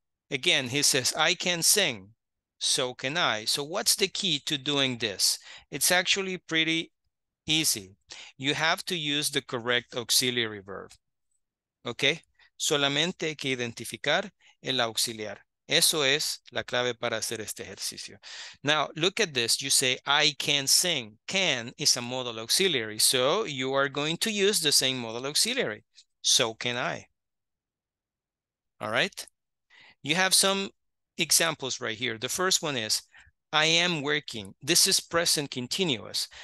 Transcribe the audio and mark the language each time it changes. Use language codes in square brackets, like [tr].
[en] Again, he says, I can sing. So can I. So what's the key to doing this? It's actually pretty easy. You have to use the correct auxiliary verb. [es] Okay? Solamente hay que identificar el auxiliar. Eso es la clave para hacer este ejercicio. [en] Now, look at this. You say, I can sing. Can is a modal auxiliary. So you are going to use the same modal auxiliary. So can I. All right? You have some examples right here. The first one is, I am working. This is present continuous.